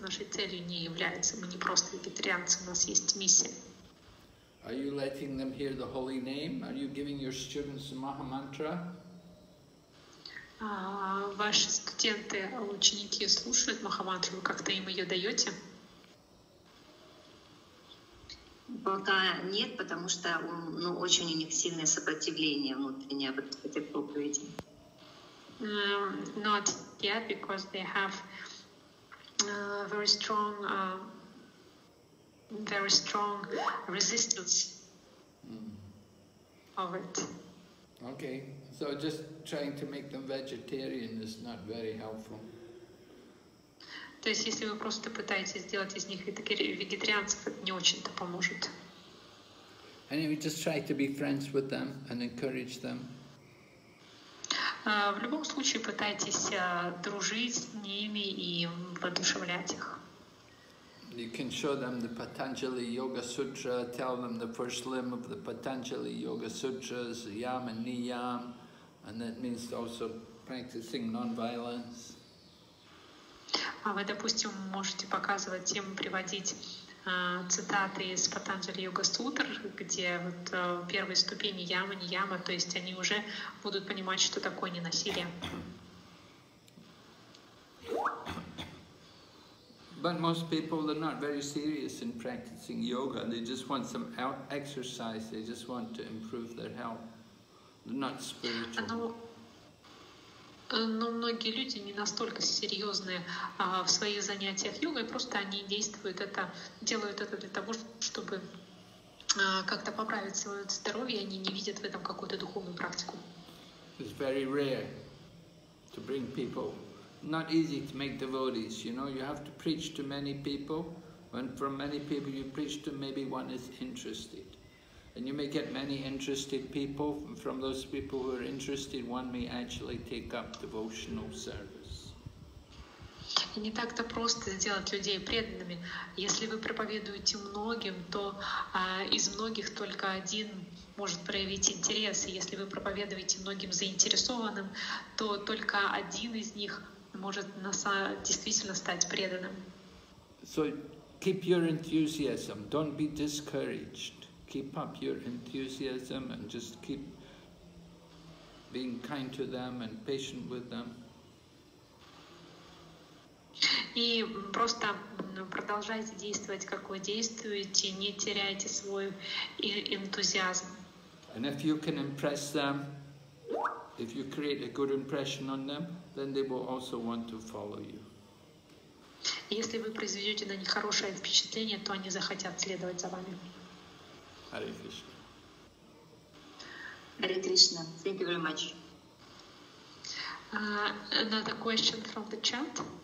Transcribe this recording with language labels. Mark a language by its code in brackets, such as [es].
[ru] Нашей целью не является, мы не просто вегетарианцы, у нас есть миссия. [en] Are you letting them hear the holy name? Are you giving your students Maha Mantra? [ru] Ваши студенты, ученики слушают Маха Мантру, вы как-то им ее даете? Пока нет, потому что очень у них сильное сопротивление внутреннее об этой проповеди. [en] Not yet, because they have very strong resistance of it. Okay, so just trying to make them vegetarian is not very helpful. [ru] То есть, если вы просто пытаетесь сделать из них вегетарианцев, это не очень-то поможет. [en] Anyway, just try to be friends with them and encourage them. [ru] В любом случае, пытайтесь дружить с ними и воодушевлять их. [en] You can show them the Patanjali Yoga Sutra, tell them the first limb of the Patanjali Yoga Sutras, Yama and Niyam, and that means also practicing non-violence. [ru] А вы, допустим, можете показывать им, приводить цитаты из Патанджали Йога Сутр, где вот первые ступени яма, не яма, то есть они уже будут понимать, что такое ненасилие. [en] But most people, they're not very serious in practicing yoga. They just want some exercise. They just want to improve their health. They're not spiritual. [ru] Но многие люди не настолько серьезные в своих занятиях йогой, просто они делают это для того, чтобы как-то поправить свое здоровье, и они не видят в этом какую-то духовную практику. [en] It's very rare to bring people not easy to make devotees, you know. You have to preach to many people, and from many people you preach to maybe one is interested. And you may get many interested people, and from those people who are interested, one may actually take up devotional service. [ru] И не так-то просто сделать людей преданными. Если вы проповедуете многим, то из многих только один может проявить интерес. И если вы проповедуете многим заинтересованным, то только один из них может действительно стать преданным. [en] So keep your enthusiasm. Don't be discouraged. Keep up your enthusiasm and just keep being kind to them and patient with them. [ru] И просто продолжайте действовать, как вы действуете, не теряйте свой энтузиазм. [en] And if you can impress them, if you create a good impression on them, then they will also want to follow you. [ru] Если вы произведете на них хорошее впечатление, то они захотят следовать за вами. [en] Hare Krishna. Hare Krishna. Thank you very much. Another question from the chat.